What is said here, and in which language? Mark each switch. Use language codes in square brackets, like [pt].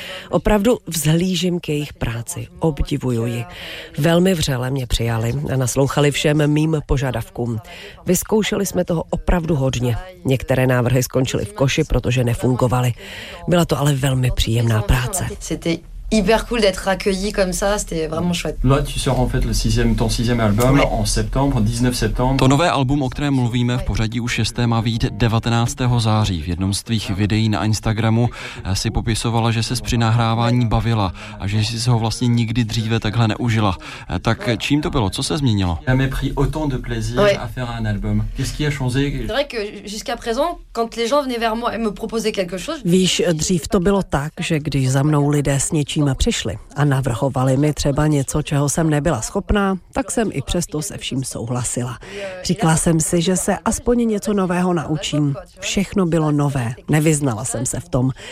[cs] Opravdu vzhlížím k jejich práci, obdivuju ji. Velmi vřele mě přijali a naslouchali všem mým požadavkům. Vyzkoušeli jsme toho opravdu hodně. Některé návrhy skončily v koši, protože nefungovaly. Byla to ale velmi příjemná práce. [fr] Hyper cool d'être accueilli comme ça, c'était vraiment chouette. Là, tu sors en fait le sixième, ton sixième album en septembre, 19 septembre. [cs] To nové album, o kterém mluvíme v pořadí už 6. má vyjít 19. září. V jednom z tvých videí na Instagramu si popisovala, že ses při nahrávání bavila a že jsi se ho vlastně nikdy dříve takhle neužila. Tak čím to bylo? Co se změnilo? [fr] Jamais pris autant de plaisir à faire un album. Qu'est-ce qui a changé? C'est vrai que jusqu'à présent, quand les gens venaient vers moi et me proposaient quelque chose. [cs] Víš, dřív to bylo tak, že když za mnou lidé čím přišli a navrhovali mi třeba něco, čeho jsem nebyla schopná, tak jsem i přesto se vším souhlasila. Říkala jsem si, že se aspoň něco nového naučím. Všechno bylo nové, nevyznala jsem se v tom.